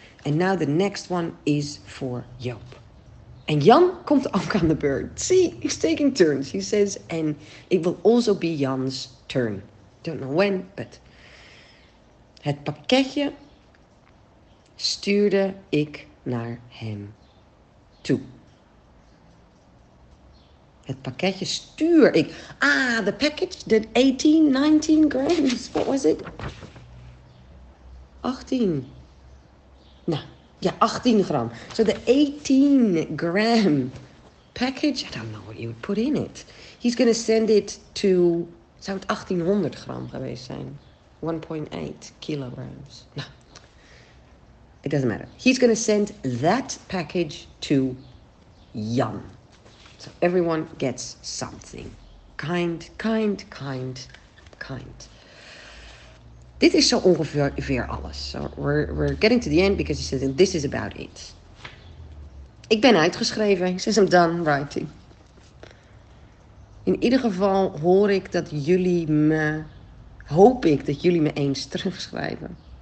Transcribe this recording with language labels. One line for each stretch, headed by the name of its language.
English: And now the next one is for Joop. And
Dutch: Jan komt ook aan de beurt.
English: See, he's taking turns, he says. And it will also be Jan's turn. Don't know when, but.
Dutch: Het pakketje stuurde ik naar hem toe. Het pakketje stuur ik.
English: Ah, the package, the 18, 19 grams. What was it? 18.
Dutch: Nou, ja, 18 gram.
English: So the 18 gram package, I don't know what you would put in it. He's gonna send it to,
Dutch: zou het 1800 gram geweest zijn?
English: 1,8 kilograms. Nou, it doesn't matter. He's gonna send that package to Jan. So everyone gets something. Kind, kind, kind, kind.
Dutch: Dit is zo ongeveer alles.
English: So we're getting to the end because he says this is about it.
Dutch: Ik ben uitgeschreven.
English: He says I'm done writing.
Dutch: In ieder geval hoor ik dat jullie me, hoop ik dat jullie me eens terugschrijven.